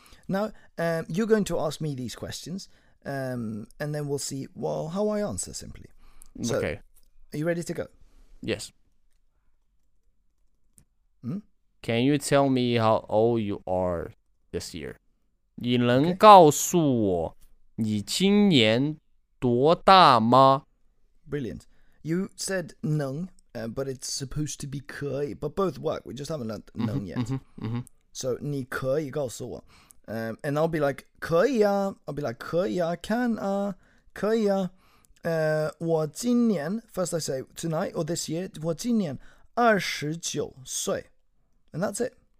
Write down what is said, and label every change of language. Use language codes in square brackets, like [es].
[en] Now, you're going to ask me these questions, and then we'll see, well, how I answer simply. So, Okay. are you ready to go? Yes. Can you tell me how old you are this year? [zh] 你能告诉我你今年多大吗？ [en] Brilliant. You said nung, but it's supposed to be ke, but both work. We just haven't learned nung yet. So, [zh] ni ke yi gao suo. [en] And I'll be like, ke ya. I'll be like, ke ya, can a, ke ya. Wo jin nian, first I say tonight or this year, [zh] wo jin nian, er shi jiu sui. [en] And that's it.